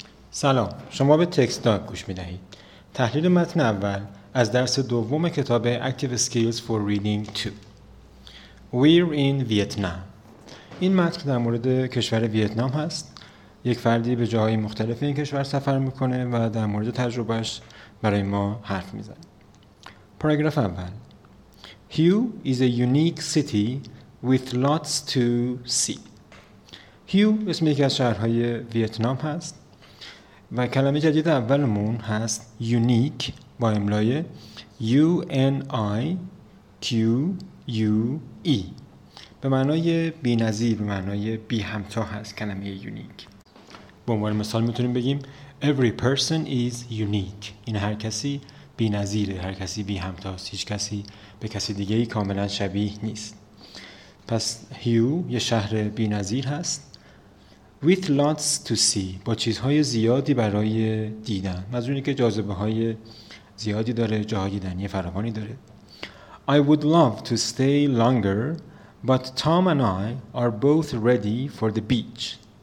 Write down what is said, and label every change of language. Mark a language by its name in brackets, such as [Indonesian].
[Persian] سلام، شما به تکست داک گوش می دهید. تحلیل متن اول از درس دوم کتاب Active Skills for Reading 2. [English] We're in Vietnam. [Persian] این متن در مورد کشور ویتنام هست. یک فردی به جاهای مختلف این کشور سفر میکنه و در مورد تجربهش برای ما حرف میزنه. پاراگراف اول. [English] Hue is a unique city with lots to see. [Persian] Hue اسم یکی از شهرهای ویتنام هست. و کلمه جدید اولمون هست unique با املای unique به معنای بی نظیر، به معنای بی همتا هست کلمه unique. به عنوان مثال میتونیم بگیم [English] every person is unique، [Persian] این هر کسی بی نظیره، هر کسی بی همتاست، هیچ کسی به کسی دیگه ای کاملا شبیه نیست. پس Hue یه شهر بی نظیر هست [English] with lots to see، [Persian] با چیزهای زیادی برای دیدن، منظور اینه که جاذبه های زیادی داره، جاهای دیدنی فراوانی داره. [English] I would love to stay longer but Tom and I are both ready for the beach.